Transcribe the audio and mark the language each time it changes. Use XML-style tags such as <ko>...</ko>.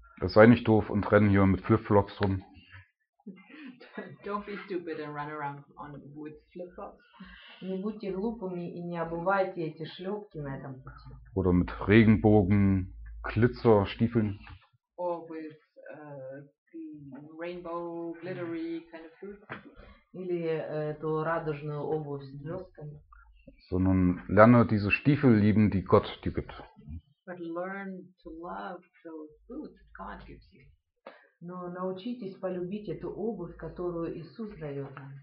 <de>Das sei nicht doof und renn hier mit Flipflops rum.</de> <en>Don't be stupid and run around on with flip-flops.</en> <ru>Не будьте глупыми и не обувайте эти шлепки на этом пути.</ru> <de>Oder mit Regenbogen. Glitzerstiefeln.</de> <en>Or with the rainbow glittery kind of food.</en> <ru>Или эту радужную обувь с звездками.</ru> <de>Sondern lerne diese Stiefel lieben, die Gott dir gibt.</de> <en>But learn to love those boots God gives you.</en> <ru>Но научитесь полюбить эту обувь, которую Иисус дает нам.</ru>